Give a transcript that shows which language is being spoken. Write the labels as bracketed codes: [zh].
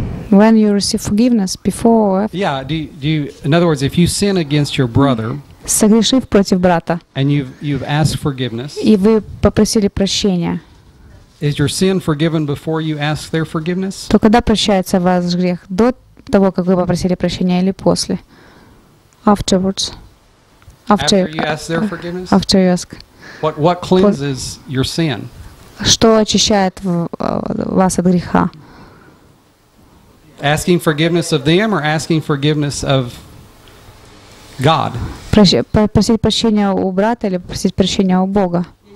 [en] When you receive forgiveness before, yeah, do you, in other words, if you sin against your brother, [ru] согрешив против брата, [en] and you've asked forgiveness, [ru] и вы попросили прощения, [en] is your sin forgiven before you ask their forgiveness? [ru] То когда прощается ваш грех, до того, как вы попросили прощения, или после? [en] Afterwards. After you ask their forgiveness. After you ask. What cleanses your sin? [ru] Что очищает вас от греха? [en] Asking forgiveness of them or asking forgiveness of God? [ru] Просить прощения у брата или просить прощения у Бога?